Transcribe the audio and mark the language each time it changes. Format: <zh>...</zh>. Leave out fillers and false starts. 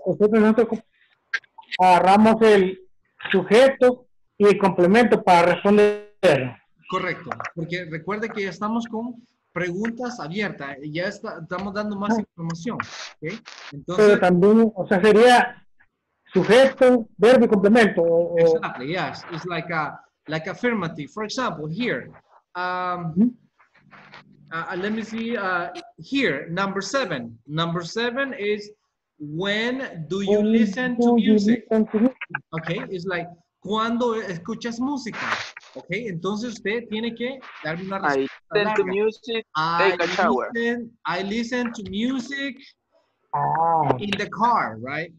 <es>Nosotros agarramos el sujeto y el complemento para responder. Correcto, porque recuerde que ya estamos con preguntas abiertas, ya estamos dando más información. ¿Okay? Entonces, pero también, o sea, sería sujeto, verbo y complemento.</es> <en>Exactly, yes. It's like affirmative. For example, here. Let me see here, number seven is, when do you listen to music? Okay, it's like,</en> <es>¿cuándo escuchas música? Okay, entonces usted tiene que darme una respuesta.</es> <en>I listen to music, take a shower. I listen to music in the car, right?</en>